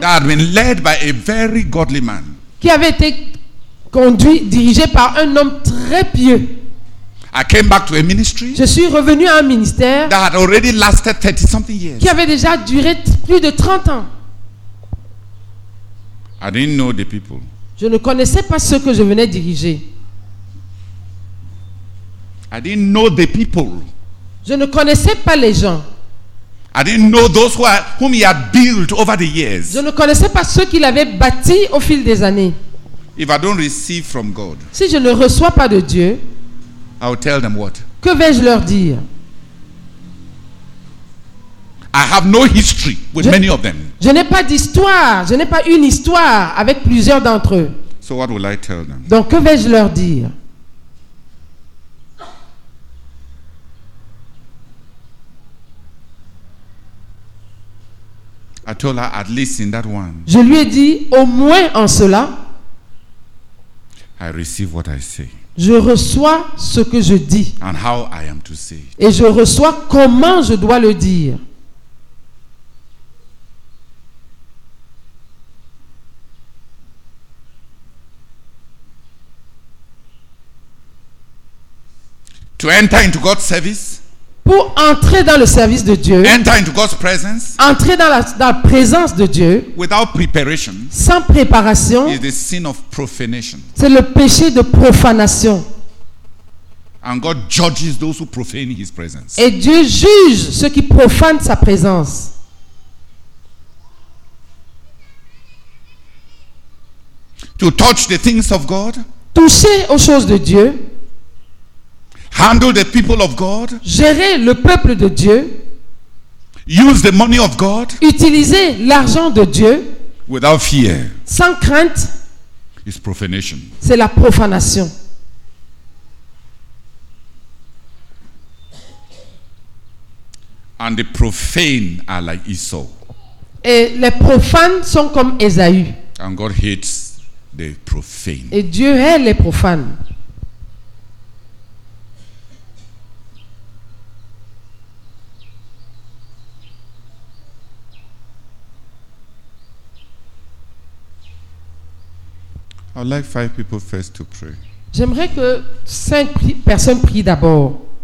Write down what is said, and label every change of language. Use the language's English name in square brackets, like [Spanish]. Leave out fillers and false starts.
[English] That had been led by a very godly man. [French] Qui avait été conduit, dirigé par un homme très pieux. [English] I came back to a ministry. [French] Je suis revenu à un ministère. [English] That had already lasted 30 something years. [French] Qui avait déjà duré plus de 30 ans. [English] I didn't know the people. [French] Je ne connaissais pas ceux que je venais diriger. [English] I didn't know the people. [French] Je ne connaissais pas les gens. [English] I didn't know those whom he had built over the years. [French] Je ne connaissais pas ceux qu'il avait bâti au fil des années. [English] If I don't receive from God, [French] si je ne reçois pas de Dieu, [English] I'll tell them what? [French] Que vais-je leur dire? [English] I have no history with many of them. [French] Je n'ai pas d'histoire, je n'ai pas une histoire avec plusieurs d'entre eux. [English] So what will I tell them? [French] Donc que vais-je leur dire? [English] I told her at least in that one. [French] Je lui ai dit au moins en cela. [English] I receive what I say. [French] Je reçois ce que je dis. [English] And how I am to say. [French] Et je reçois comment je dois le dire. [English] To enter into God's service. [French] Pour entrer dans le service de Dieu. [English] Enter into God's presence. [French] Entrer dans la présence de Dieu. [English] Without preparation. [French] Sans préparation. [English] Is the sin of profanation. [French] C'est le péché de profanation. [English] And God judges those who profane his presence. [French] Et Dieu juge ceux qui profanent sa présence. [English] To touch the things of God. [French] Toucher aux choses de Dieu. [English] Handle the people of God. [French] Gérer le peuple de Dieu. [English] Use the money of God. [French] Utiliser l'argent de Dieu. [English] Without fear. [French] Sans crainte. [English] Is profanation. [French] C'est la profanation. [English] And the profane are like Esau. [French] Et les profanes sont comme Ésaü. [English] And God hates the profane. [French] Et Dieu hait les profanes. [English] I'd like five people first to pray. [French] J'aimerais que cinq personnes prient d'abord.